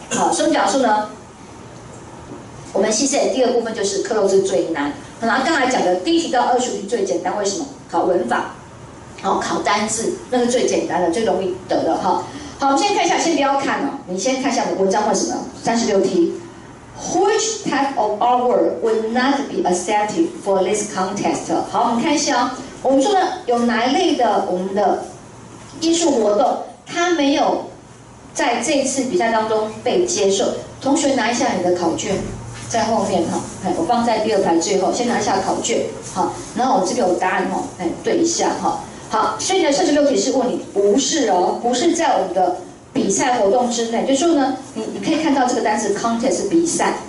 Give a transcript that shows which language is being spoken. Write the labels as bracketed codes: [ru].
[zh] 好，所以假设呢，我们系列第二部分就是克漏字最难。然后刚才讲的第一题到25题最简单，为什么？考文法，好，考单字，那是最简单的，最容易得的哈。好，我们先看一下，先不要看哦。你先看一下我文章问什么？ 36题 [en] ，Which type of artwork would not be accepted for this contest？ [zh] 好，我们看一下哦。我们说呢，有哪一类的我们的艺术活动，它没有在这一次比赛当中被接受？同学拿一下你的考卷，在后面哈、哦。我放在第二排最后，先拿一下考卷。好，然后我这边有答案哈、哦，对一下哈。好，所以呢，36题是问你不是哦，不是在我们的比赛活动之内，就是说呢，你可以看到这个单词 contest 是比赛。